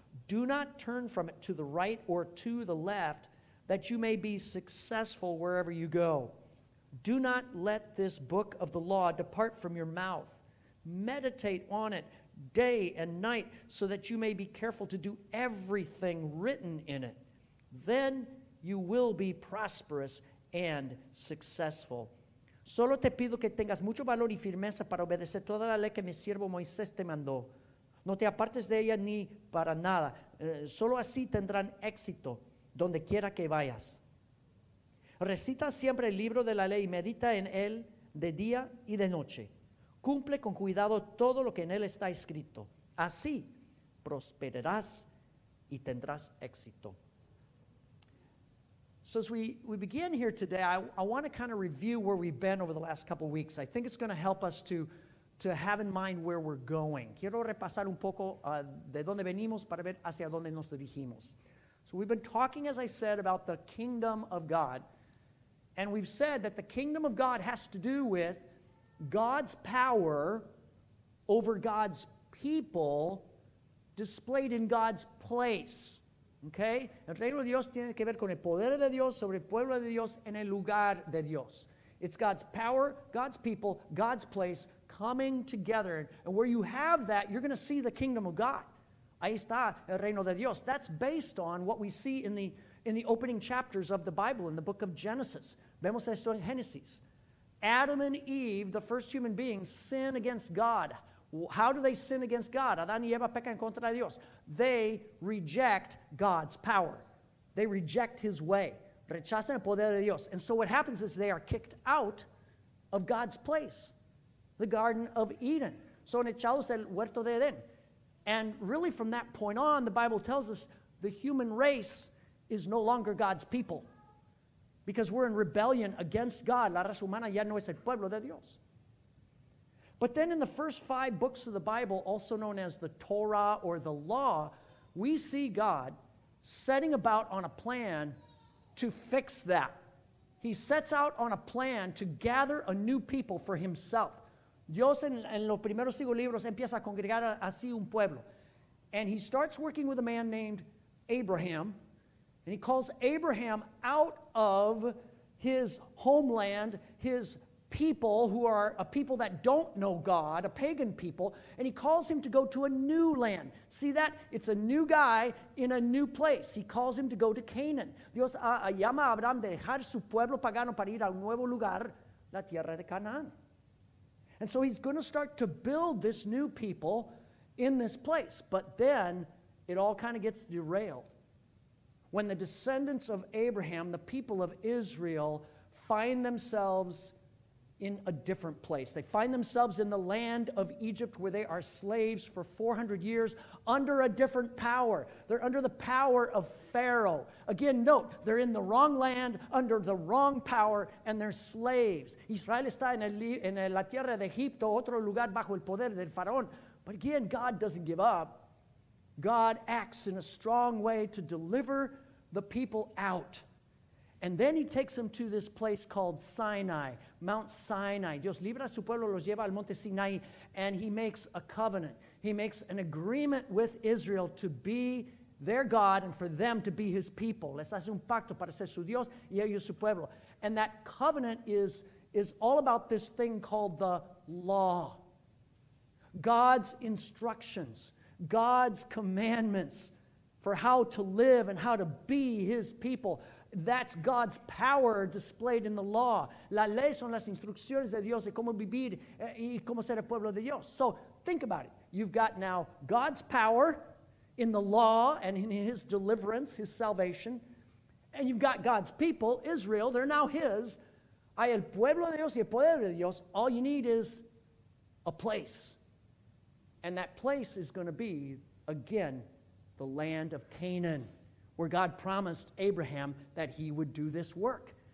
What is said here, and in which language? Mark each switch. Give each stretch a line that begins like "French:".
English: Do not turn from it to the right or to the left, that you may be successful wherever you go. Do not let this book of the law depart from your mouth. Meditate on it day and night, so that you may be careful to do everything written in it. then you will be prosperous and successful.
Spanish: Solo te pido que tengas mucho valor y firmeza para obedecer toda la ley que mi siervo Moisés te mandó. No te apartes de ella ni para nada. Solo así tendrán éxito donde quiera que vayas. Recita siempre el libro de la ley y medita en él de día y de noche. Cumple con cuidado todo lo que en él está escrito. Así prosperarás y tendrás éxito.
English: So as we begin here today, I want to kind of review where we've been over the last couple of weeks. I think it's going to help us to have in mind where we're going.
Spanish: Quiero repasar un poco de dónde venimos para ver hacia dónde nos dirigimos.
English: So we've been talking, as I said, about the kingdom of God. And we've said that the kingdom of God has to do with God's power over God's people displayed in God's place. Okay?
Spanish: El reino de Dios tiene que ver con el poder de Dios sobre el pueblo de Dios en el lugar de Dios.
English: It's God's power, God's people, God's place coming together. And where you have that, you're going to see the kingdom of God.
Spanish: Ahí está el reino de Dios.
English: That's based on what we see in the opening chapters of the Bible, in the book of Genesis.
Spanish: Vemos esto en Genesis.
English: Adam and Eve, the first human beings, sin against God. How do they sin against God?
Spanish: Adán y Eva pecan contra Dios.
English: They reject God's power. They reject his way.
Spanish: Rechazan el poder de Dios.
English: And so what happens is they are kicked out of God's place, the Garden of Eden.
Spanish: Son echados del huerto de Edén.
English: And really from that point on, the Bible tells us the human race is no longer God's people because we're in rebellion against God.
Spanish: La raza humana ya no es el pueblo de Dios.
English: But then in the first five books of the Bible, also known as the Torah or the Law, we see God setting about on a plan to fix that. He sets out on a plan to gather a new people for himself.
Spanish: Dios en los primeros cinco libros empieza a congregar así un pueblo.
English: And he starts working with a man named Abraham. And he calls Abraham out of his homeland, his people who are a people that don't know God, a pagan people, and he calls him to go to a new land. See that? It's a new guy in a new place. He calls him to go to Canaan.
Spanish: Dios llama a Abraham de dejar su pueblo pagano para ir a un nuevo lugar, la tierra de Canaán.
English: And so he's going to start to build this new people in this place, but then it all kind of gets derailed. When the descendants of Abraham, the people of Israel, find themselves in a different place. They find themselves in the land of Egypt where they are slaves for 400 years under a different power. They're under the power of Pharaoh. Again, note, they're in the wrong land under the wrong power and they're slaves.
Spanish: Israel está en la tierra de Egipto, otro lugar bajo el poder del faraón.
English: But again, God doesn't give up. God acts in a strong way to deliver the people out. And then he takes them to this place called Sinai, Mount Sinai.
Spanish: Dios libra a su pueblo, los lleva al Monte Sinai,
English: and he makes a covenant. He makes an agreement with Israel to be their God and for them to be his people.
Spanish: Les hace un pacto para ser su Dios y ellos su pueblo.
English: And that covenant is all about this thing called the law. God's instructions, God's commandments for how to live and how to be his people. That's God's power displayed in the law.
Spanish: La ley son las instrucciones de Dios de cómo vivir y cómo ser el pueblo de Dios.
English: So think about it. You've got now God's power in the law and in his deliverance, his salvation. And you've got God's people, Israel. They're now his.
Spanish: Hay el pueblo de Dios y el poder de Dios.
English: All you need is a place. And that place is going to be, again, the land of Canaan, where God promised Abraham that he would do this work.